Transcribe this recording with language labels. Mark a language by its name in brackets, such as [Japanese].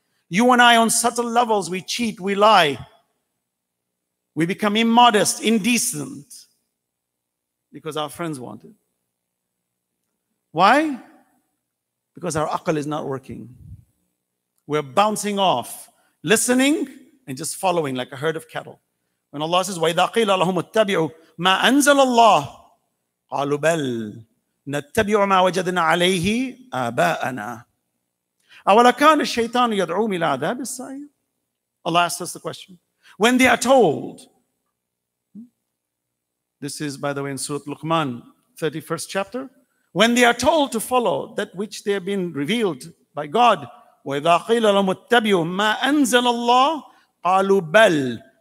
[English] You and I, on subtle levels, we cheat, we lie. We become immodest, indecent, because our friends want it. Why? Because our aql is not working. We're bouncing off, listening, and just following like a herd of cattle. When Allah says, [Arabic] وَإِذَا قِيلَ لَهُمُ اتَّبِعُوا مَا أَنزَلَ اللَّهُ قَالُوا بَلْ نَتَّبِعُ مَا وَجَدْنَا عَلَيْهِ آبَاءَنَا أَوَلَكَانَ الشَّيْطَانُ يَدْعُوا مِلَى عَذَابِ السَّعِيرِ. [English] Allah asks us the question. When they are told, this is, by the way, in Surah Luqman, 31st chapter. When they are told to follow that which they have been revealed by God, [Arabic] وَإِذَا قِيلَ لَهُمُ اتَّبِعُوا مَا أَنزَلَ اللَّهُ قَالُوا بَلْ.